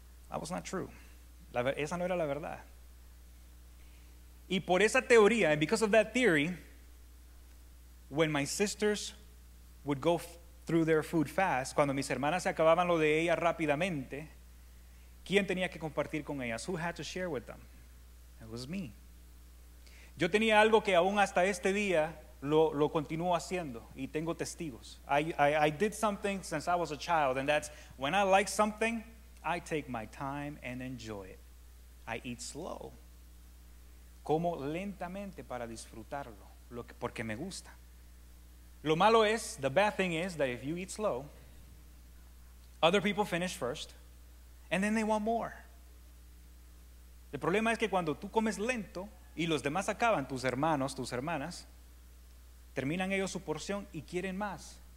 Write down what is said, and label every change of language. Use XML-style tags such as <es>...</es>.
<en>That was not true.</en> <es>Esa no era la verdad. Y por esa teoría,</es> <en>and because of that theory, when my sisters would go through their food fast,</en> <es>cuando mis hermanas se acababan lo de ella rápidamente, ¿quién tenía que compartir con ellas?</es> <en>Who had to share with them? It was me.</en> <es>Yo tenía algo que aún hasta este día lo continúo haciendo y tengo testigos.</es> <en>I did something since I was a child, and that's when I like something, I take my time and enjoy it. I eat slow.</en> <es>Como lentamente para disfrutarlo, porque me gusta. Lo malo es,</es> <en>the bad thing is that if you eat slow, other people finish first. And then they want more.</en> <es>El problema es que cuando tú comes lento y los demás acaban, tus hermanos, tus hermanas, terminan ellos su porción y quieren más.</es>